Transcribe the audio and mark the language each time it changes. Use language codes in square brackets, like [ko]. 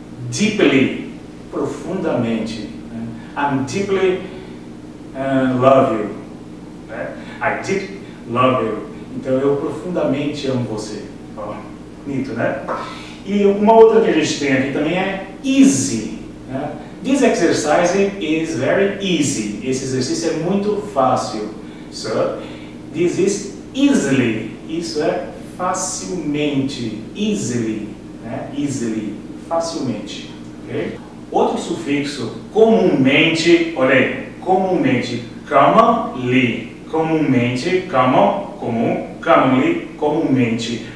[en] Deeply, profundamente. I'm deeply love you. I deep love you. [pt] Então eu profundamente amo você. Oh, bonito, né? E uma outra que a gente tem aqui também é easy. [en] This exercise is very easy. [pt] Esse exercício é muito fácil. [en] So, this is easily. [pt] Isso é facilmente. [en] Easily. Né? Easily. Facilmente. Okay? [pt] Outro sufixo, comumente. Olha aí. Comumente. Commonly. Comumente. Common. Comum. Commonly. Comumente.